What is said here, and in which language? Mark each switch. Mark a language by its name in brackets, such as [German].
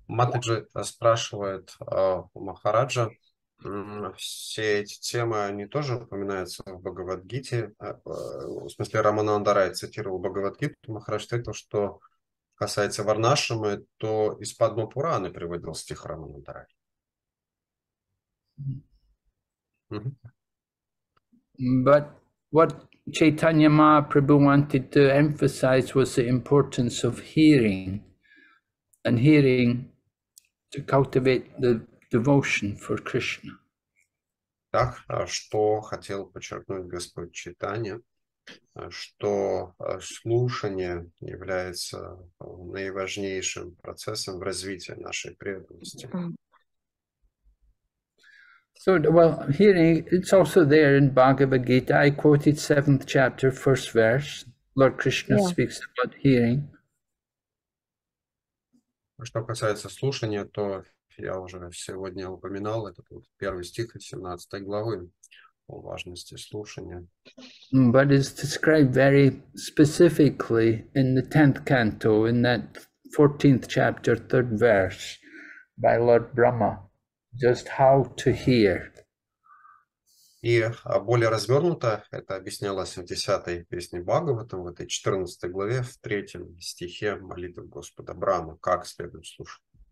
[Russian] Матаджи спрашивает у Махараджа, все эти темы, они тоже упоминаются в Бхагавадгите, в смысле Рамананда Рай цитировал Бхагавадгиту, Махарадж ответил, что касается Варнашрамы, то из Падма Пураны приводил стих Рамананда Рай. [English] But what Chaitanya Mahaprabhu wanted to emphasize was the importance of hearing, and hearing to cultivate the devotion for Krishna. [Russian] Так, что хотел подчеркнуть Господь Чайтанья, что слушание является наиважнейшим процессом в развитии нашей преданности. [English] So, well, hearing, it's also there in Bhagavad Gita. I quoted 7th chapter, 1st verse. Lord Krishna speaks about hearing. [Russian] Что касается слушания, то я уже сегодня упоминал этот вот первый стих из 17 главы о важности слушания. [English] But it's described very specifically in the 10th canto, in that 14th chapter, 3rd verse, by Lord Brahma. Just how to hear. [Russian] И более развернуто это объяснялось в 10-й песне Бхагаватам, в этой 14-й главе, в 3-м стихе молитвы Господа Брама, как следует слушать.